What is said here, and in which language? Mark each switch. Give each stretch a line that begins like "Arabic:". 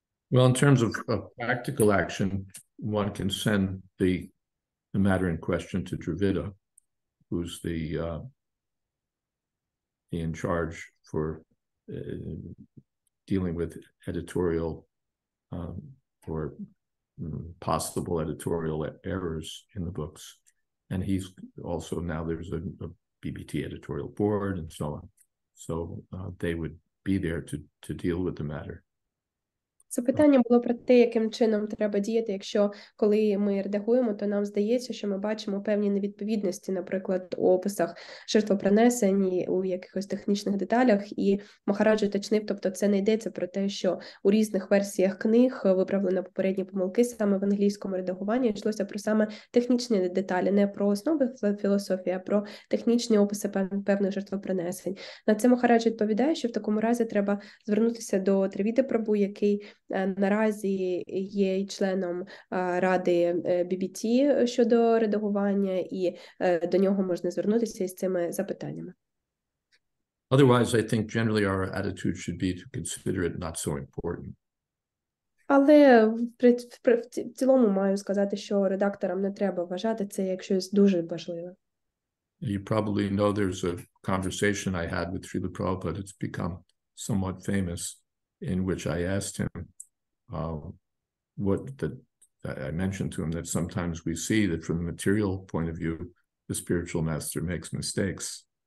English: Well, in terms of practical action, one can send the matter in question to Dravida, who's the in charge for dealing with editorial or possible editorial errors in the books. And he's also, now there's a BBT editorial board and so on. So they would be there to deal with the matter.
Ukrainian: Це питання було про те, яким чином треба діяти, якщо коли ми редагуємо, то нам здається, що ми бачимо певні невідповідності, наприклад, у описах жертвопринесень, у якихось технічних деталях, і Махараджа уточнив, тобто це не йдеться про те, що у різних версіях книг виправлено попередні помилки саме в англійському редагуванні, йшлося про саме технічні деталі, не про основи філософії, а про технічні описи певних жертвопринесень. На це Махараджа відповідає, що в такому разі треба звернутися до Тривіди Прабу, який наразі є членом ради BBT щодо редагування, і до нього можна звернутися із цими запитаннями.
English: Otherwise, I think generally our attitude should be to consider it not so important.
Ukrainian: Але в цілому маю сказати, що редакторам не треба вважати це як щось дуже важливе.
English: You probably know there's a conversation I had with Srila Prabhupada, it's become somewhat famous, in which I asked him I mentioned to him that sometimes we see that from a material point of view, the spiritual master makes mistakes.